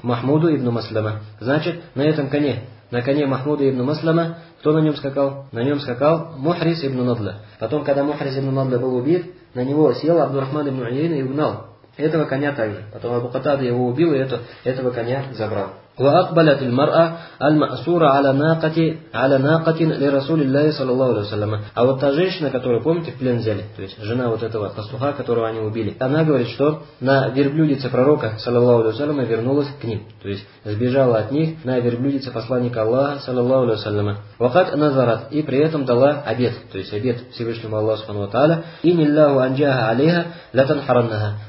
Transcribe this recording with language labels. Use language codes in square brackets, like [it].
[ru] Махмуду ибн Маслама. Значит, на этом коне, на коне Махмуда ибн Маслама, кто на нем скакал? На нем скакал Мухрис ибн Надла. Потом, когда Мухрис ибн Надла был убит, на него сел Абдур-Рахман ибн Уйейна и угнал этого коня также. Потом Абу Катада его убил и этого коня забрал. [ar] وأقبلت المرأة المأسورة على ناقة لرسول الله صلى الله عليه وسلم. [ru] А вот та женщина, которую, помните, в плен взяли, то есть жена вот этого пастуха, которого они убили, она говорит, что на верблюдице пророка, саллаллаху алейхи ва саллям, вернулась к ним, то есть сбежала от них на верблюдице посланника Аллаха, саллаллаху алейхи ва саллям. [ar] وقد نذرت, [ru] и при этом дала обет, то есть обет Всевышнему Аллаху субхану ва тааля, [ar] إن الله أنجاها عليها لتنحرنها.